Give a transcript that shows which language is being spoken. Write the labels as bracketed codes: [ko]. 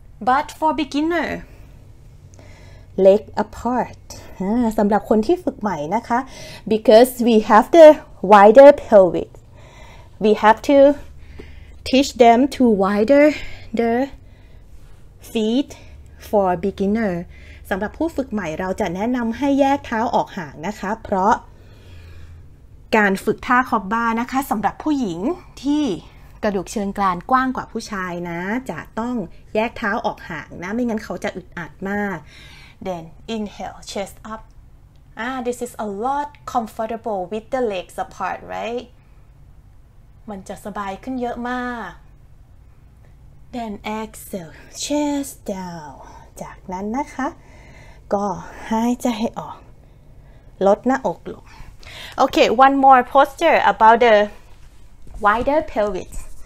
[en] But for beginner,leg apart [th] สำหรับคนที่ฝึกใหม่นะคะ [en] because we have the wider pelvic we have to teach them to wider the feet for beginner [th] สำหรับผู้ฝึกใหม่เราจะแนะนำให้แยกเท้าออกห่างนะคะเพราะ การฝึกท่าคอบบ้านะคะสำหรับผู้หญิงที่กระดูกเชิงกรานกว้างกว่าผู้ชายนะจะต้องแยกเท้าออกห่างนะไม่งั้นเขาจะอึดอัดมาก [en] Then inhale, chest up. This is a lot comfortable with the legs apart, right? [th] มันจะสบายขึ้นเยอะมาก [en] Then exhale, chest down. [th] จากนั้นนะคะก็หายใจให้ออกลดหน้าอกลง [en] Okay, one more posture about the wider pelvis.